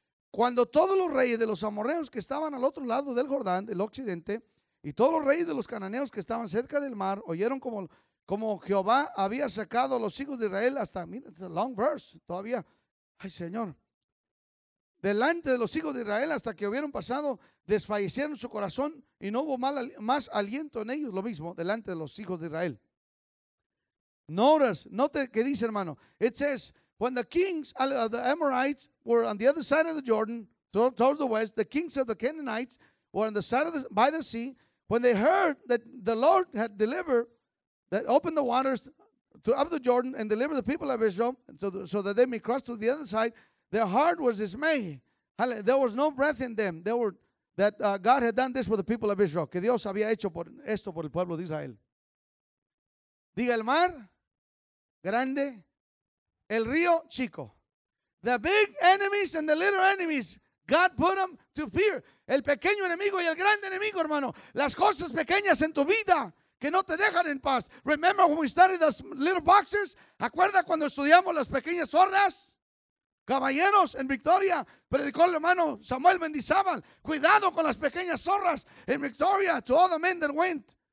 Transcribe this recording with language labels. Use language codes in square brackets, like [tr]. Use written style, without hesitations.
[es] Cuando todos los reyes de los amorreos que estaban al otro lado del Jordán, del occidente, y todos los reyes de los cananeos que estaban cerca del mar oyeron como como Jehová había sacado a los hijos de Israel hasta, mira, [en] it's a long verse [es] todavía, ay Señor, delante de los hijos de Israel hasta que hubieron pasado, desfallecieron su corazón y no hubo más aliento en ellos, lo mismo, delante de los hijos de Israel. Note que dice, hermano, [en] it says, when the kings of the Amorites were on the other side of the Jordan, towards the west, the kings of the Canaanites were on the side of the, by the sea, when they heard that the Lord had delivered, that opened the waters of the Jordan and delivered the people of Israel so that they may cross to the other side, their heart was dismayed. There was no breath in them. They were, that God had done this for the people of Israel. [es] Que Dios había hecho por esto por el pueblo de Israel. Diga el mar, grande. El río, chico. [en] The big enemies and the little enemies, God put them to fear. [es] El pequeño enemigo y el grande enemigo, hermano. Las cosas pequeñas en tu vida que no te dejan en paz. [en] Remember when we studied those little boxes? [es] ¿Acuerda cuando estudiamos las pequeñas zorras? Caballeros, en Victoria, predicó el hermano Samuel Mendizábal. Cuidado con las pequeñas zorras en Victoria, [en] to all the men that went.